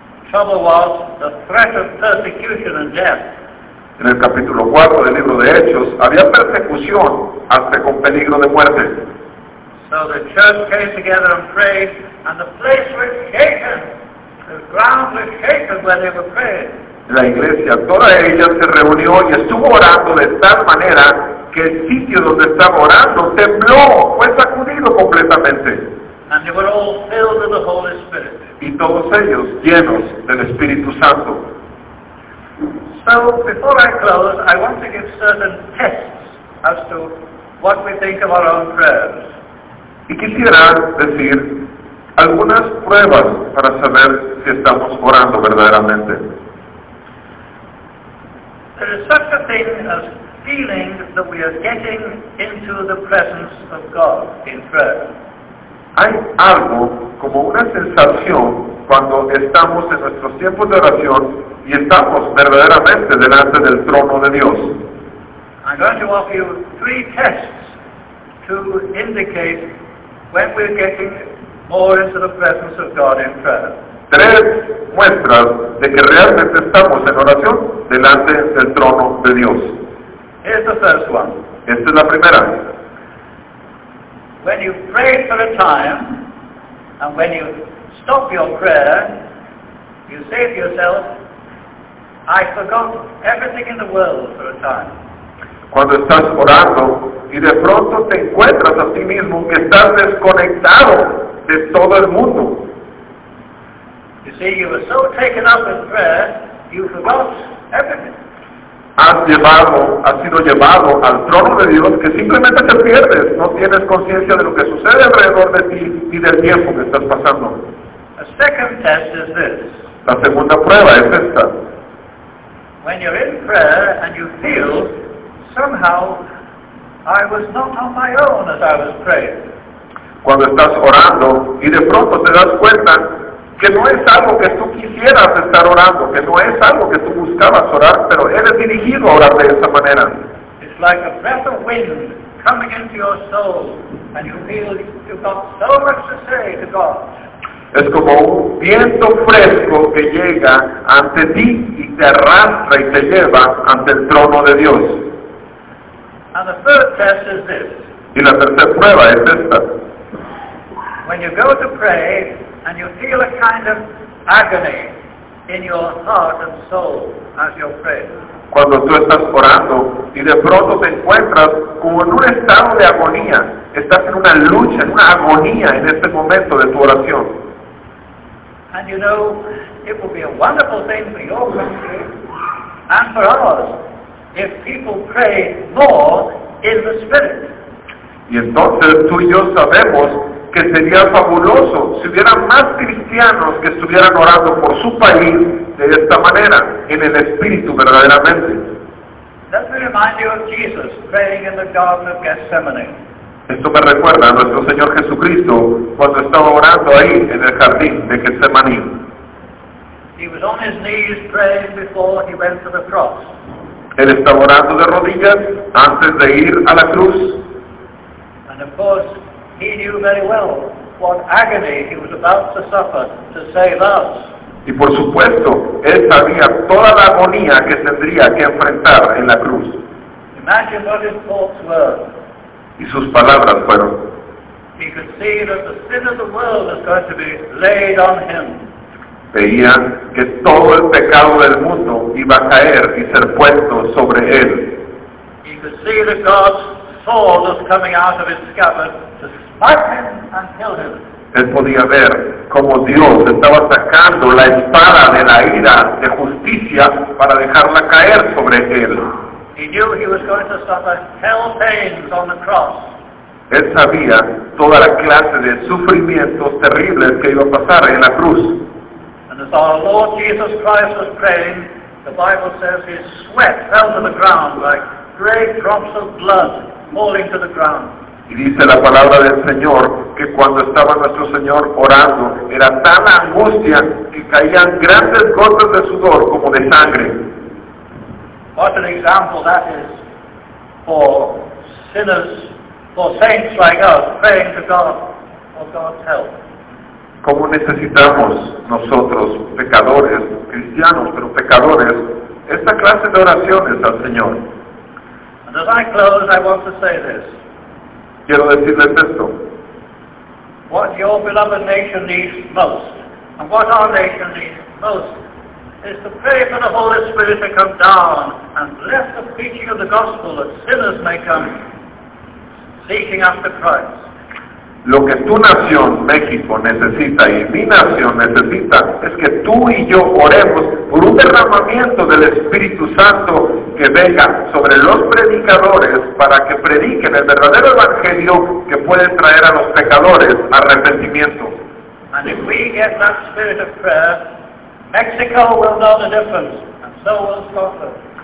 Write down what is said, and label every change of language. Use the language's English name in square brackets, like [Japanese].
[English] Trouble was the threat of persecution and death. [Spanish] En el capítulo 4 del libro de Hechos había persecución hasta con peligro de muerte. [English] So the church came together and prayed, and the place was shaken. The ground was shaken where they were praying. [Spanish] La iglesia, toda ella se reunió y estuvo orando de tal manera que el sitio donde estaba orando tembló, fue sacudido completamente. [English] And they were all filled with the Holy Spirit. [Spanish] Y todos ellos llenos del Espíritu Santo. [English] So, before I close, I want to give certain tests as to what we think of our own prayers. [Spanish] Y quisiera decir algunas pruebas para saber si estamos orando verdaderamente. [English] There is such a thing as feeling that we are getting into the presence of God in prayer. [Spanish] Hay algo como una sensación cuando estamos en nuestros tiempos de oración y estamos verdaderamente delante del trono de Dios. [English] I'm going to offer you three tests to indicate when we're getting more into the presence of God in prayer. [Spanish] Tres muestras de que realmente estamos en oración delante del trono de Dios. [English] Here's the first one. [Spanish] Esta es la primera. [English] When you pray for a time and when you stop your prayer, you say to yourself, I forgot everything in the world for a time. [Spanish] Cuando estás orando y de pronto te encuentras a ti mismo que estás desconectado de todo el mundo. [English] You see, you were so taken up in prayer, you forgot everything. [Spanish] Has sido llevado al trono de Dios que simplemente te pierdes, no tienes conciencia de lo que sucede alrededor de ti y del tiempo que estás pasando. [English] A second test is this. [Spanish] La segunda prueba es esta. [English] When you're in prayer and you feel somehow I was not on my own as I was praying. [Spanish] Cuando estás orando y de pronto te das cuenta que no es algo que tú quisieras estar orando, que no es algo que tú buscabas orar, pero eres dirigido a orar de esa manera. [English] It's like a breath of wind coming into your soul and you feel you've got so much to say to God. [Spanish] Es como un viento fresco que llega ante ti y te arrastra y te lleva ante el trono de Dios. [English] And the third test is this. [Spanish] Y la tercera prueba es esta. [English] When you go to pray and you feel a kind of agony in your heart and soul as you're praying. [Spanish] cuando tú estás orando y de pronto te encuentras como en un estado de agonía, estás en una lucha, en una agonía en este momento de tu oración. [English] And you know, it would be a wonderful thing for your country and for ours if people pray more in the Spirit. [Spanish] Y entonces tú y yo sabemos que sería fabuloso si hubiera más cristianos que estuvieran orando por su país de esta manera, en el Espíritu verdaderamente. [English] Let me remind you of Jesus praying in the Garden of Gethsemane. [Spanish] Esto me recuerda a nuestro Señor Jesucristo cuando estaba orando ahí en el jardín de Getsemaní. [English] He was on his knees praying before he went to the cross. [Spanish] Él estaba orando de rodillas antes de ir a la cruz. [English] And of course, he knew very well what agony he was about to suffer to save us. [Spanish] Y por supuesto, él sabía toda la agonía que tendría que enfrentar en la cruz. [English] Imagine what his thoughts were. [Spanish] Y sus palabras fueron. [English] He could see that the sin of the world was going to be laid on him. [Spanish] Veían que todo el pecado del mundo iba a caer y ser puesto sobre él. [English] He could see that God's sword was coming out of his scabbard to smite him and kill him. [Spanish] Él podía ver cómo Dios estaba sacando la espada de la ira de justicia para dejarla caer sobre él. [English] He knew he was going to suffer hell pains on the cross. [Spanish] Él sabía toda la clase de sufrimientos terribles que iba a pasar en la cruz. [English] And as our Lord Jesus Christ was praying, the Bible says his sweat fell to the ground like great drops of blood falling to the ground. [Spanish] Y dice la palabra del Señor que cuando estaba nuestro Señor orando, era tan angustia que caían grandes gotas de sudor como de sangre. [English] What an example that is for sinners, for saints like us, praying to God for God's help. [Spanish] ¿Cómo necesitamos nosotros, pecadores, cristianos, pero pecadores, esta clase de oraciones al Señor? [English] And as I close, I want to say this. [Spanish] Quiero decirles esto. [English] What your beloved nation needs most, and what our nation needs most, is to pray for the Holy Spirit to come down and bless the preaching of the gospel that sinners may come seeking after Christ. [Spanish] Lo que tu nación, México, necesita y mi nación necesita es que tú y yo oremos por un derramamiento del Espíritu Santo que venga sobre los predicadores para que prediquen el verdadero evangelio que puede traer a los pecadores arrepentimiento. [English] And if we get that spirit of prayer, Mexico will know the difference, and so will Scotland.